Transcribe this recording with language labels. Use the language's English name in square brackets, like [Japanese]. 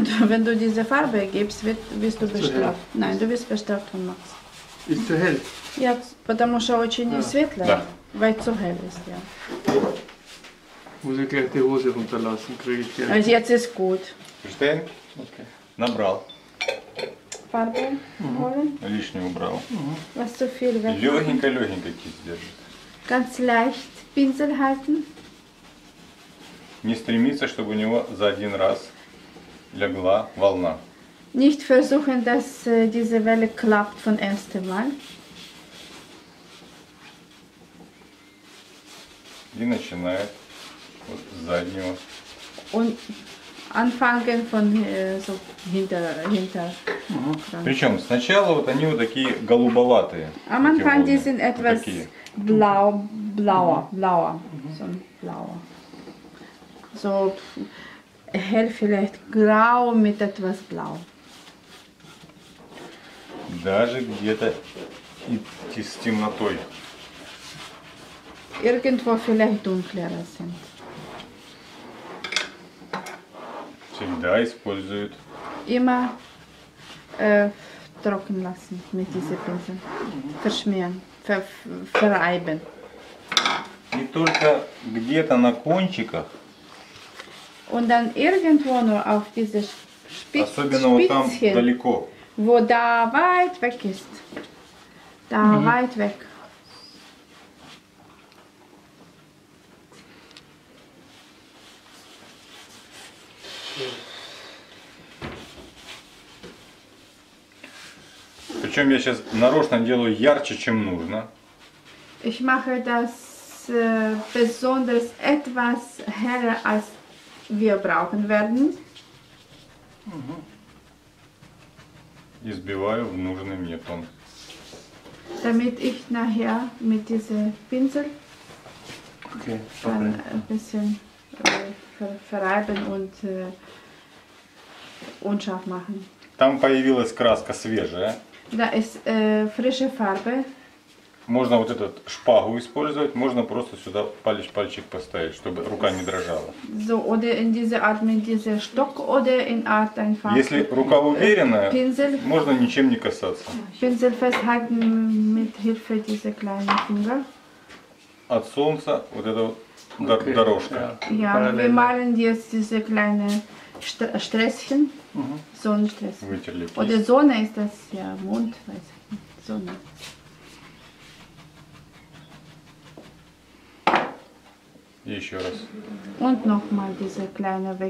[German] Wenn du diese Farbe gibst, wirst du bestraft. Nein, du wirst bestraft von Max. Ist zu hell. [Russian] Ja, потому что очень светло. [German] Ja. Weil zu hell ist, ja. Muss ich gleich die Hose runterlassen, kriege ich gleich. Jetzt ist gut. Verstehen? Okay. [Russian] Набрал. [German] Farbe holen? [Russian] Лишнюю убрал. [German] Was zu viel wird. [Russian] Легенько-легенько кисть держит. [German] Ganz leicht Pinsel halten. [Russian] Не стремиться, чтобы у него за один раз легла волна. [German] Nicht versuchen, dass diese Welle klappt von erstem Mal. [Russian] И начинает вот с заднего. Он [German] anfangen von so hinter. Mm-hmm. [Russian] Причем сначала вот они вот такие голубоватые. [German] Am Anfang die sind etwas blauer. Mm-hmm. So blauer. So hell vielleicht grau mit etwas blau. [Russian] даже где-то и с темнотой. [German] Irgendwo vielleicht dunklerer sind. [Russian] Всегда используют. [German] Immer trocken lassen mit diesem Pinsel. Verschmieren, verreiben. [Russian] Не только где-то на кончиках. [German] Und dann irgendwo nur auf diese Spitze. [Russian] Особенно вот там далеко. [German] Wo da weit weg ist. Da weit weg. [Russian] Причем я сейчас нарочно делаю ярче, чем нужно. [German] Ich mache das besonders etwas heller, als wir brauchen werden. [Russian] И сбиваю в нужный мне тон. [German] Damit ich nachher mit diesem Pinsel ein bisschen verreiben und unscharf machen. [Russian] Там появилась краска свежая. Да, свежая фарба. Можно вот этот шпагу использовать, можно просто сюда пальчик поставить, чтобы рука не дрожала. [German] So, oder in diese Art mit diesem Stock oder in Art einfach. [Russian] Если рука уверенная, Pinsel, можно ничем не касаться. [German] Pinsel festhalten mit Hilfe dieser kleinen Finger. [Russian] От солнца вот эта вот дорожка. [German] Ja, wir malen jetzt diese kleine Sträßchen. Sonnenstress. [Russian] Вытерли. [German] Oder Sonne ist das, ja, Mond, weiß ich nicht. Sonne. [Russian] И еще раз. [German] Und noch mal diese kleine weg.